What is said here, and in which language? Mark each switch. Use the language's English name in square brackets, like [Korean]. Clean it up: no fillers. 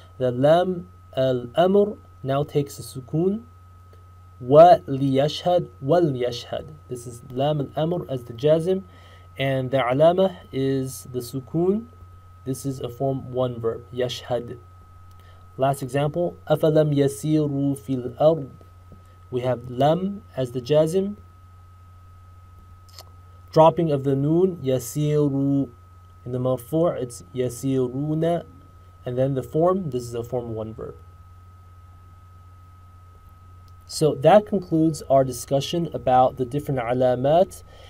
[English] The lam al-amr now takes a sukun. [Arabic] وَلْيَشْهَدْ وَلْيَشْهَدْ. [English] This is لَامَ الْأَمْرْ as the jazm, and the عَلَامَةْ is the sukun. This is a form one verb, يَشْهَدْ. Last example, [Arabic] أَفَلَمْ يَسِيرُوا فِي الْأَرْضِ. [English] We have لَمْ as the jazm, dropping of the noon, يَسِيرُوا. In the مَرْفُوع, it's يَسِيرُونَ. And then the form, this is a form one verb. So that concludes our discussion about the different alamat